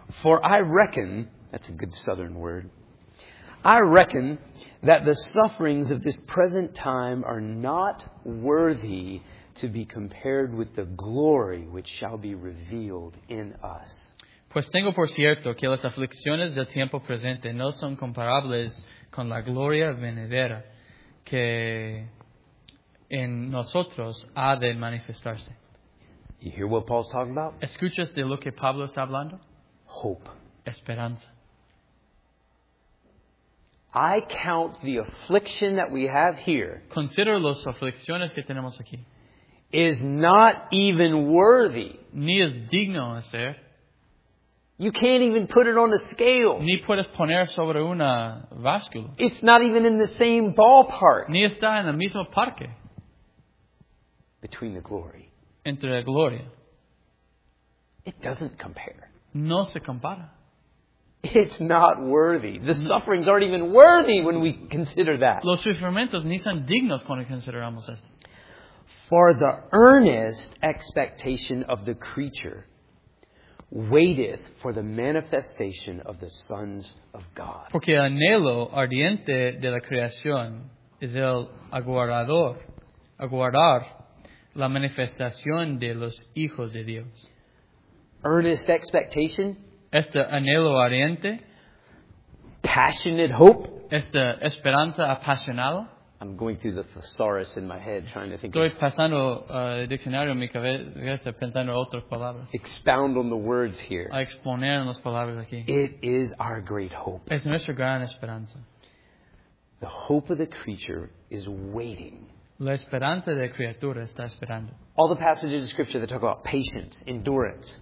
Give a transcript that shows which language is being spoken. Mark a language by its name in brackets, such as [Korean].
[English] For I reckon, that's a good southern word, I reckon that the sufferings of this present time are not worthy to be compared with the glory which shall be revealed in us. [Spanish] Pues tengo por cierto que las aflicciones del tiempo presente no son comparables con la gloria venidera que en nosotros ha de manifestarse. [English] You hear what Paul's talking about? [Spanish] ¿Escuchas de lo que Pablo está hablando? [English] Hope. [Spanish] Esperanza. [English] I count the affliction that we have here. [Spanish] Considero las aflicciones que tenemos aquí. [English] Is not even worthy. [Spanish] Ni es digno de ser. [English] You can't even put it on a scale. [Spanish] Ni puedes poner sobre una báscula. [English] It's not even in the same ballpark. [Spanish] Ni está en el mismo parque. [English] Between the glory. [Spanish] Entre la gloria. [English] It doesn't compare. [Spanish] No se compara. [English] It's not worthy. The sufferings aren't even worthy when we consider that. [Spanish] Los sufrimientos ni son dignos cuando consideramos esto. [English] For the earnest expectation of the creature waiteth for the manifestation of the sons of God. [Spanish] Porque el anhelo ardiente de la creación es el aguardador, aguardar la manifestación de los hijos de Dios. [English] Earnest expectation. [Spanish] Este anhelo ardiente. [English] Passionate hope. [Spanish] Esta esperanza apasionada. [English] I'm going through the thesaurus in my head trying to think. [Spanish] Estoy pasando el diccionario en mi cabeza pensando en otras palabras. [English] Expound on the words here. [Spanish] A exponer en las palabras aquí. [English] It is our great hope. [Spanish] Es nuestra gran esperanza. [English] The hope of the creature is waiting. [Spanish] La esperanza de la criatura está esperando. [English] All the passages of Scripture that talk about patience, endurance.